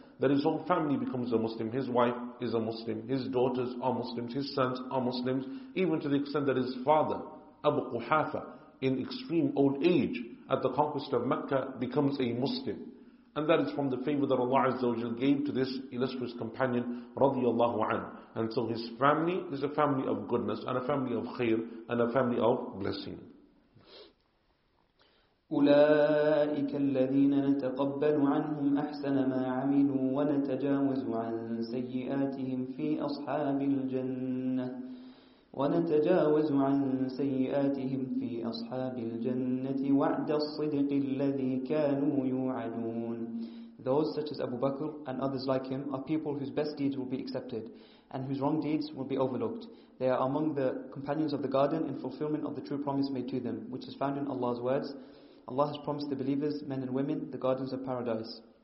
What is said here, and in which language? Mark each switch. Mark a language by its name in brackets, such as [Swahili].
[English] that his whole family becomes a Muslim, his wife is a Muslim, his daughters are Muslims, his sons are Muslims, even to the extent that his father, Abu Quhafa, in extreme old age, at the conquest of Mecca, becomes a Muslim. And that is from the favor that Allah Azza wa Jal gave to this illustrious companion, radiyallahu anhu. And so his family is a family of goodness, and a family of khair, and a family of blessing. [Arabic] أولئك الذين نتقبل عنهم أحسن ما عملوا ونتجاوز عن سيئاتهم في أصحاب الجنة وعد الصدق الذي كانوا يوعدون. [English] Those such as Abu Bakr and others like him are people whose best deeds will be accepted and whose wrong deeds will be overlooked. They are among the companions of the garden in fulfillment of the true promise made to them, which is found in Allah's words. Allah has promised the believers, men and women, the gardens of paradise.